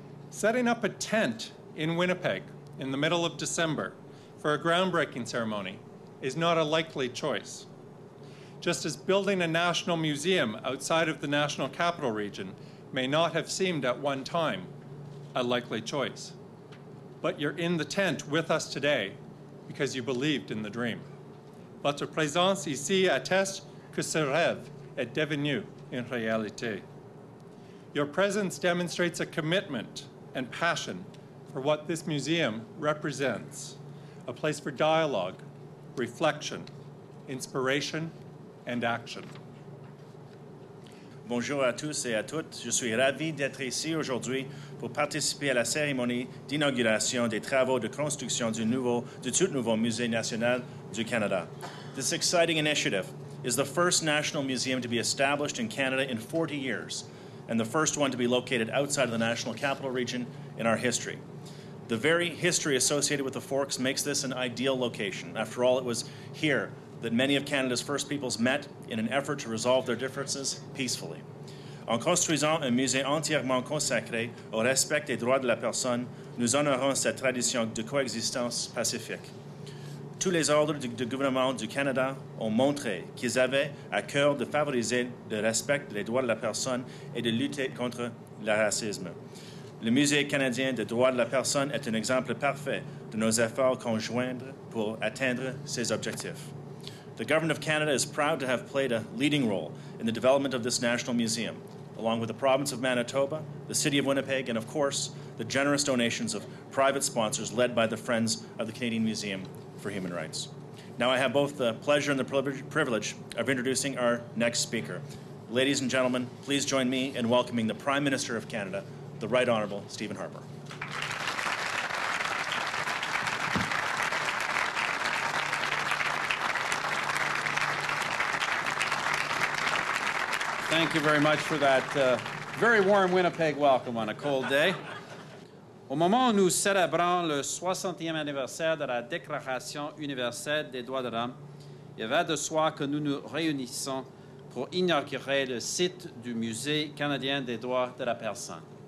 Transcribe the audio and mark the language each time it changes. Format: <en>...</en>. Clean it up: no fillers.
<en>Setting up a tent in Winnipeg in the middle of December for a groundbreaking ceremony is not a likely choice. Just as building a national museum outside of the National Capital Region may not have seemed at one time a likely choice. But you're in the tent with us today because you believed in the dream.</en> <fr>Votre présence ici atteste que ce rêve est devenu une réalité.</fr> <en>Your presence demonstrates a commitment and passion for what this museum represents, a place for dialogue, reflection, inspiration, and action.</en> <fr>Bonjour à tous et à toutes. Je suis ravi d'être ici aujourd'hui pour participer à la cérémonie d'inauguration des travaux de construction du tout nouveau Musée national du Canada.</fr> <en>This exciting initiative is the first national museum to be established in Canada in 40 years, and the first one to be located outside of the National Capital Region in our history. The very history associated with the Forks makes this an ideal location. After all, it was here that many of Canada's first peoples met in an effort to resolve their differences peacefully.</en> <fr>En construisant un musée entièrement consacré au respect des droits de la personne, nous honorons cette tradition de coexistence pacifique. Tous les ordres du gouvernement du Canada ont montré qu'ils avaient à cœur de favoriser le respect des droits de la personne et de lutter contre le racisme. Le Musée canadien des droits de la personne est un exemple parfait de nos efforts conjoints pour atteindre ces objectifs.</fr> <en>The Government of Canada is proud to have played a leading role in the development of this national museum, along with the province of Manitoba, the city of Winnipeg, and of course, the generous donations of private sponsors led by the Friends of the Canadian Museum for Human Rights. Now I have both the pleasure and the privilege of introducing our next speaker, Ladies and gentlemen, please join me in welcoming the Prime Minister of Canada, the Right Honourable Stephen Harper. Thank you very much for that very warm Winnipeg welcome on a cold day.</en> <fr>Au moment où nous célébrons le 60e anniversaire de la Déclaration universelle des droits de l'homme, il va de soi que nous nous réunissons pour inaugurer le site du Musée canadien des droits de la personne.</fr>